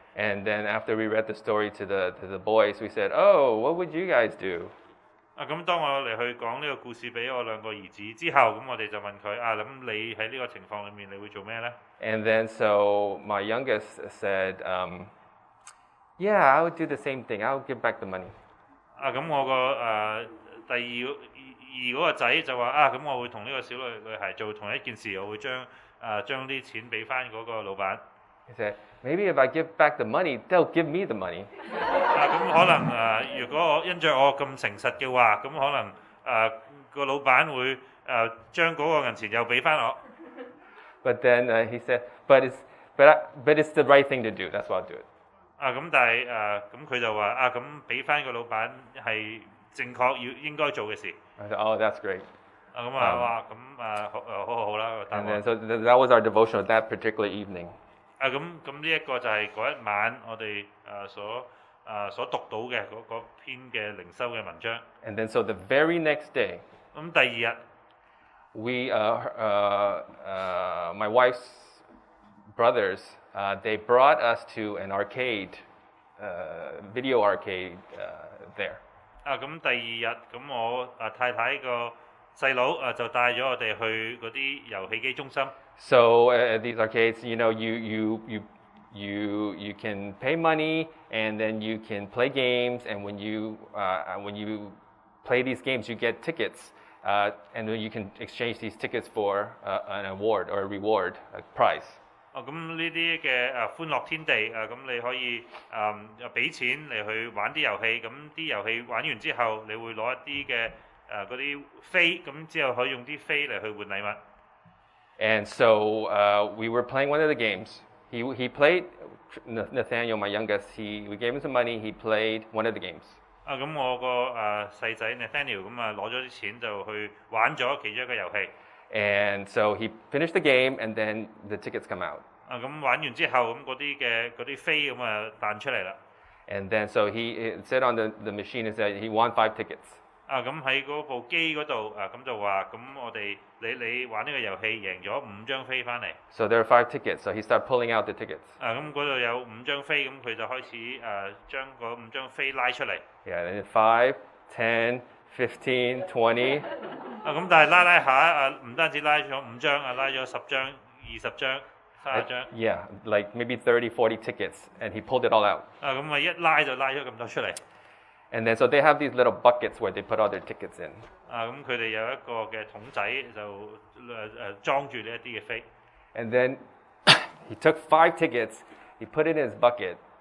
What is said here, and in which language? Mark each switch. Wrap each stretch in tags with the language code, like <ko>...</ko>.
<en>And then after we read the story to the boys, we said, "Oh, what would you guys do?"</en> <yue>啊，咁當我嚟去講呢個故事俾我兩個兒子之後，咁我哋就問佢啊，咁你喺呢個情況裏面你會做咩咧</yue> <en>？And then so my youngest said, Yeah, I would do the same thing. I would give back the money.</en> <yue>啊，咁我個第二嗰個仔就話啊，咁我會同呢個小女孩做同一件事，我會將啲錢俾翻嗰個老闆。</yue> <en>He said, maybe if I give back the money, they'll give me the money.</en> <yue>啊，咁可能如果我因著我咁誠實嘅話，咁可能個老闆會將嗰個銀錢又俾翻我。</yue> <en>But then he said, but it's the right thing to do. That's why I'll do it.</en> <yue>啊，咁但係咁佢就話啊，咁俾翻個老闆係正確要應該做嘅事。</yue> <en>Oh, that's great.</en> <yue>啊，咁啊，哇，咁啊，好啦。</yue> <en>And then, so that was our devotional that particular evening.</en> <yue>啊，咁呢一個就係嗰一晚我哋所讀到嘅嗰篇嘅靈修嘅文章。</yue> <en>And then, so the very next day.</en> <yue>咁第二日</yue> <en>，we my wife's brothers. They brought us to an arcade, video arcade there.</en> <yue>啊，咁第二日，咁我太太個細佬就帶咗我哋去嗰啲遊戲機中心。</yue> <en>So at these arcades, you know, you can pay money and then you can play games, and when you play these games, you get tickets. And then you can exchange these tickets for an award or a reward, a prize.</en> <yue>咁呢啲嘅歡樂天地咁你可以俾錢嚟去玩啲遊戲，咁啲遊戲玩完之後，你會攞一啲嘅嗰啲飛，咁之後可以用啲飛嚟去換禮物。</yue> <en>And so we were playing one of the games. He played Nathaniel, my youngest. We gave him some money. He played one of the games.</en> <yue>咁我個細仔 Nathaniel 咁攞咗啲錢就去玩咗其中一個遊戲。</yue> <en>And so he finished the game, and then the tickets come out.</en> <yue>咁玩完之後，咁嗰啲飛咁彈出嚟啦。</yue> <en>And then so it said on the machine is that he won 5 tickets.</en> <yue>咁喺嗰部機嗰度咁就話，咁我哋你玩呢個遊戲贏咗五張飛翻嚟。</yue> <en>So there are 5 tickets. So he started pulling out the tickets.</en> <yue>咁嗰度有五張飛，咁佢就開始將嗰五張飛拉出嚟。</yue> <en>Yeah, and then 5, 10, 15, 20.</en> <yue>咁但係拉拉下，唔單止拉咗五張，拉咗十張、二十張、三十張。</yue> <en>Yeah, like maybe 30-40 tickets, and he pulled it all out.</en> <yue>咁一拉就拉咗咁多出嚟。</yue> <en>And then so they have these little buckets where they put all their tickets in.</en> <yue>咁佢哋有一個嘅桶仔就裝住呢一啲嘅飛。</yue> <en>And then he took 5 tickets, he put it in his bucket.</en>